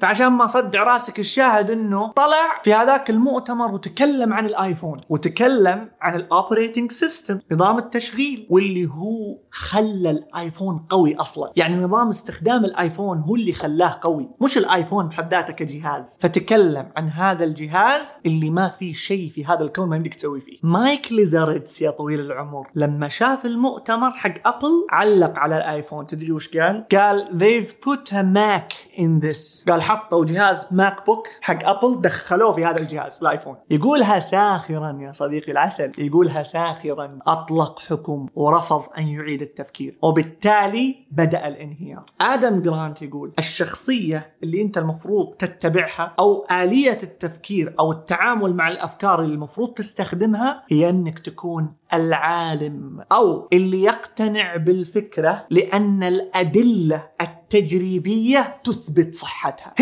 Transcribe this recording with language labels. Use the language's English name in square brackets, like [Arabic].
[Arabic] فعشان ما صدع راسك الشاهد أنه طلع في هذاك المؤتمر وتكلم عن الآيفون وتكلم عن الأوبريتنج سيستم، نظام التشغيل، واللي هو خلى الآيفون قوي أصلا. يعني نظام استخدام الآيفون هو اللي خلاه قوي، مش الآيفون بحد ذاته كجهاز. فتكلم عن هذا الجهاز اللي ما في شيء في هذا الكون ما يمديك تسوي فيه. مايك ليزاريتس يا طويل العمر لما شاف المؤتمر حق أبل علق على الآيفون. تدري وش قال؟ قال [English] they've put a Mac in this. [Arabic] قال حطوا جهاز ماك بوك حق أبل دخلوه في هذا الجهاز الآيفون. يقولها ساخرا يا صديقي العسل، يقولها ساخرا. أطلق حكم ورفض أن يعيد التفكير، وبالتالي بدأ الانهيار. آدم جرانت يقول الشخصية اللي أنت المفروض تتبعها أو آلية التفكير أو التعامل مع الأفكار اللي المفروض تستخدمها هي أنك تكون العالم أو اللي يقتنع بالفكرة لأن الأدلة التجريبية تثبت صحتها.